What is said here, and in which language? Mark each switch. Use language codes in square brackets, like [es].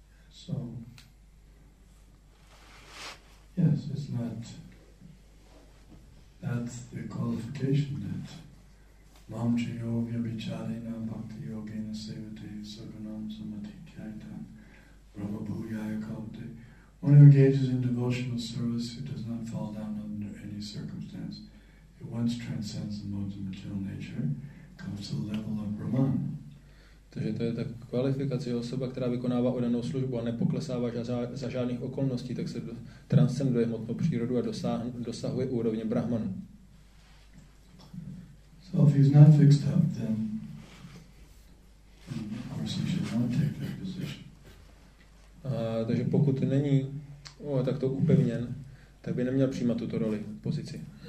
[en] So, yes, it's not that's the qualification that [sa] Vamcha Yogya Vicharina Bhakti Yogena Sevate Saganam Samadhi Kaitan Brahma Bhuyaya Kavate. [en] One who engages in devotional service who does not fall down under any circumstance, who once transcends the modes of material nature, comes to the level of Brahman. [cs] Takže to je ta kvalifikace osoba, která vykonává odanou službu a nepoklesává za žádných okolností, tak se transcenduje hmotnou přírodu a dosahuje úrovně Brahmanu. [en] So if he's not fixed up, then of course he should not take that position. [cs] Takže pokud není takto upevněn, tak by neměl přijímat tuto roli, pozici.